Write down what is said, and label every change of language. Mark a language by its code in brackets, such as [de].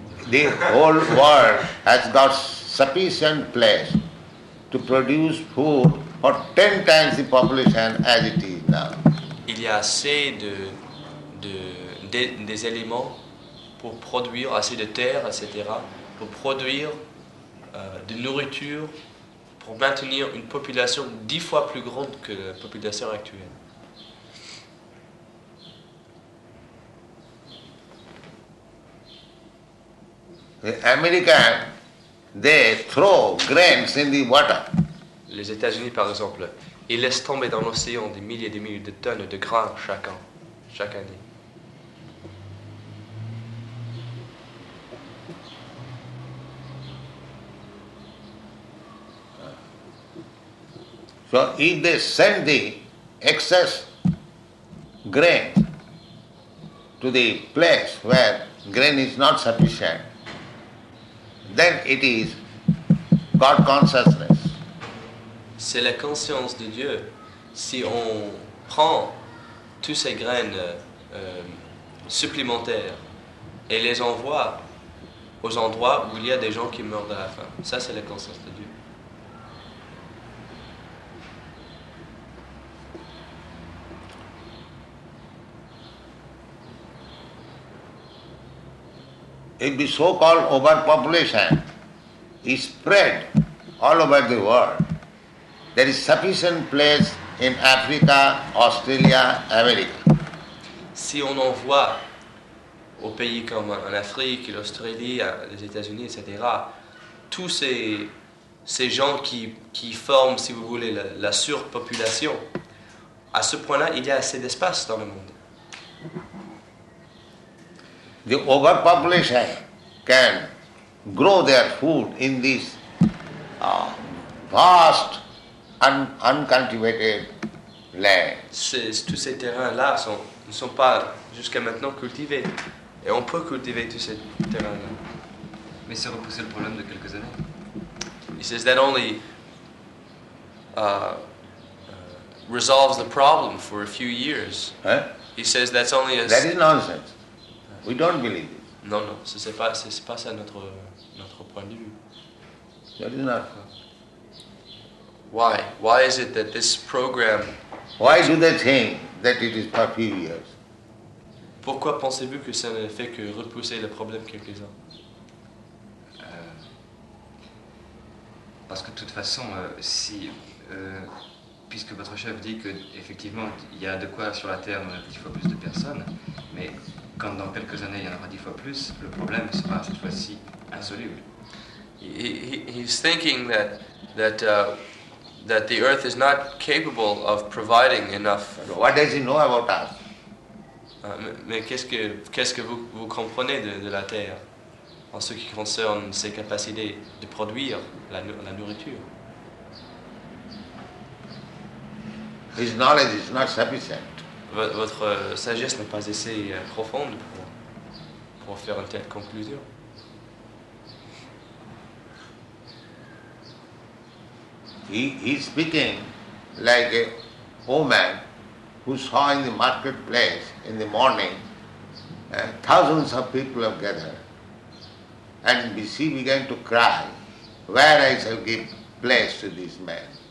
[en] The whole world has got sufficient place to produce food for 10 times the population as it is now. [fr] Il y a assez des éléments pour produire, assez de terre, etc., pour produire de nourriture, pour maintenir une population 10 fois plus grande que la population actuelle. [en] The Americans, they throw grains in the water. [fr] Les États-Unis, par exemple, ils laissent tomber dans l'océan des milliers et des milliers de tonnes de grains chaque année. [en] So if they send the excess grain to the place where grain is not sufficient, then it is God consciousness. [fr] C'est la conscience de Dieu. Si on prend tous ces graines supplémentaires et les envoie aux endroits où il y a des gens qui meurent de la faim, ça c'est la conscience de Dieu. [en] If the so-called overpopulation is spread all over the world, there is sufficient place in Africa, Australia, America. [fr] Si on envoie aux pays comme en Afrique, l'Australie, les États-Unis, etc., tous ces gens qui forment, si vous voulez, la surpopulation, à ce point-là, il y a assez d'espace dans le monde. [en] The overpopulation can grow their food in this vast and uncultivated land. [fr] Tous ces terrains-là ne sont pas jusqu'à maintenant cultivés. Et on peut cultiver tous ces terrains-là. Mais c'est repoussé le problème de quelques années. [en] He says that only resolves the problem for a few years. Hein? He says that's only a... That is nonsense. We don't believe it. [fr] Non, c'est pas ça notre point de vue. [en] That is not. Why? Why is it that this program? Why do they think that it is for a few years? [fr] Pourquoi pensez-vous que ça ne fait que repousser le problème quelques ans? Parce que de toute façon, si puisque votre chef dit que effectivement il y a de quoi sur la terre 10 fois plus de personnes, mais quand dans quelques années il y en aura 10 fois plus, le problème sera cette fois-ci insoluble. [en] He's thinking that the Earth is not capable of providing enough. What does he know about us? [fr] Mais qu'est-ce que vous comprenez de la Terre en ce qui concerne ses capacités de produire la nourriture? [en] His knowledge is not sufficient. [fr] Votre sagesse n'est pas assez profonde pour faire une telle conclusion. [en] he speaking like a old man who saw in the marketplace in the morning thousands of people have gathered. And she began to cry, where I shall give place to this man?